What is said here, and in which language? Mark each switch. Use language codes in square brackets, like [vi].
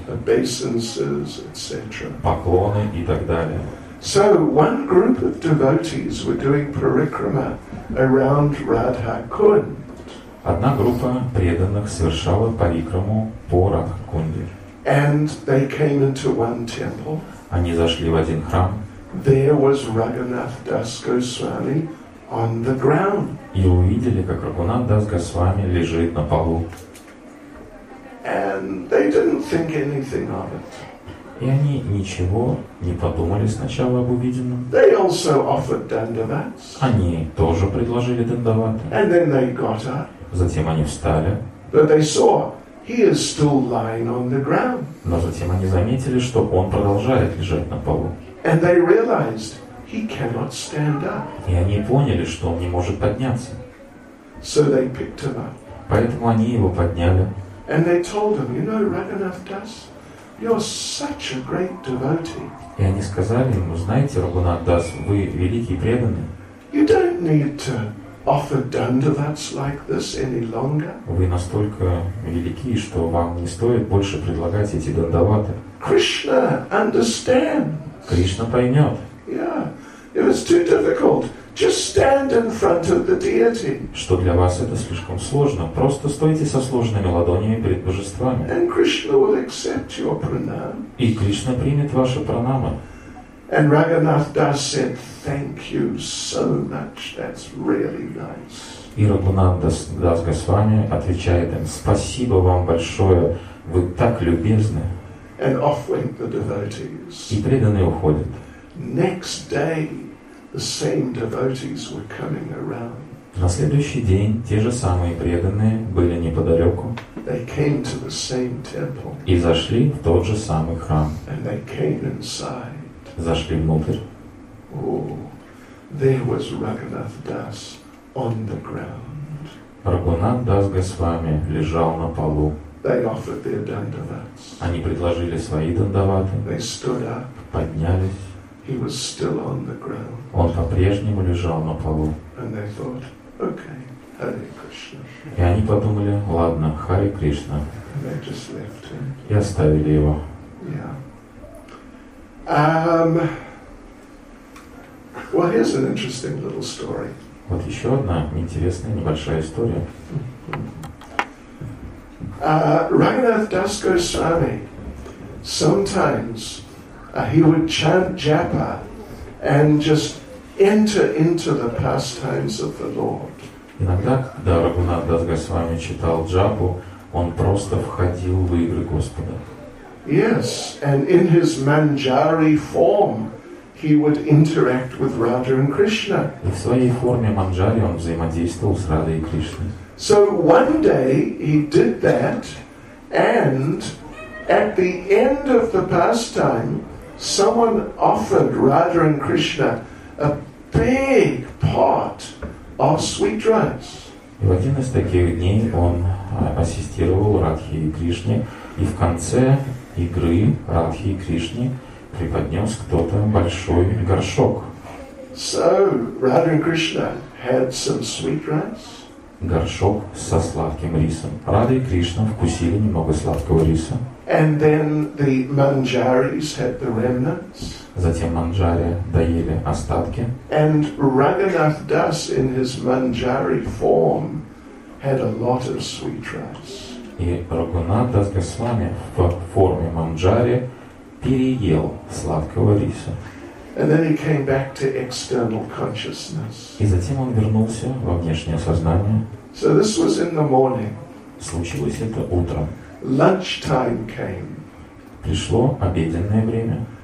[en] Obeisances, etc. [ru] Поклоны и так далее. [en] So, one group of devotees were doing parikrama around Radha-Kund. [ru] Одна группа преданных совершала парикраму по Радха-Кунде. [en] And they came into one temple. [ru] Они зашли в один храм. [en] There was Raghunath Das Goswami on the ground. [ru] И увидели, как Рагунат Дас Госвами лежит на полу. [en] And they didn't think anything of it. [ru] И они ничего не подумали сначала об увиденном. [en] They also offered dandavats. [ru] Они тоже предложили дандаваты. [en] And then they got up. [ru] Затем они встали. [en] But they saw he is still lying on the ground. [ru] Но затем они заметили, что он продолжает лежать на полу. [en] And they realized he cannot stand up. [ru] И они поняли, что он не может подняться. [en] So they picked him up. [ru] Поэтому они его подняли. [en] And they told him, you know, Raghunath Das, you're such a great devotee. [ru] И они сказали ему, знаете, Рагунат Дас, вы великий преданный. [en] You don't need to offer dandavats like this any longer. [ru] Вы настолько велики, что вам не стоит больше предлагать эти дандаваты. [en] Krishna understands. [ru] Кришна поймет. [en] Yeah, it was too difficult. Just stand in front of the deity. [ru] Что для вас это слишком сложно? Просто стойте со сложными ладонями перед божествами. [en] And Krishna will accept your pranam. [ru] И Кришна примет ваши пранамы. [en] And Raghunath Das said, "Thank you so much. That's really nice." [ru] И Рагунат Дас Госвами отвечает им: "Спасибо вам большое. Вы так любезны." [en] And off went the devotees. [ru] И преданные уходят. [en] Next day. The same devotees were coming around. [ru] На следующий день те же самые преданные были неподалеку. [en] They came to the same temple. [ru] И зашли в тот же самый храм. [en] And they came inside. [ru] Зашли внутрь. [en] Oh, there was Raghunath Das on the ground. [ru] Рагунат Дас Госвами лежал на полу. [en] They offered their dandavats. [ru] Они предложили свои дандаваты. [en] They stood up. [ru] Поднялись. [en] He was still on the ground. [ru] Он по-прежнему лежал на полу. [en] And they thought, okay, Hare Krishna. [ru] И они подумали, ладно, Харе Кришна. [en] And they just left him. [ru] И оставили его. [en] Yeah. Well, here's an interesting little story. [ru] Вот еще одна интересная небольшая история. [en] Raghunath Das Goswami sometimes he would chant japa and just enter into the pastimes of the Lord. [ru] Иногда, когда Рагунат Дас Госвами читал джапу, он просто входил в игры Господа. [en] Yes, and in his manjari form, he would interact with Radha and Krishna. [ru] И в своей форме манджари он взаимодействовал с Радой и Кришной. [en] So one day he did that, and at the end of the pastime, someone offered Radha and Krishna a big pot of sweet rice. [ru] И в один из таких дней он ассистировал Радхе и Кришне, и в конце игры Радхе и Кришне преподнес кто-то большой горшок. [en] So Radha and Krishna had some sweet rice. [ru] Горшок со сладким рисом. Радха и Кришна вкусили немного сладкого риса. [en] And then the manjaris had the remnants. [ru] Затем манджари доели остатки. [en] And Raghunath Das in his manjari form had a lot of sweet rice. [ru] И Рагунат Дас Госвами в форме манджари переел сладкого риса. [en] And then he came back to external consciousness. [ru] И затем он вернулся во внешнее сознание. [en] So this was in the morning. [ru] Случилось это утром. [en] Lunchtime came. [ru] Пришло обеденное время.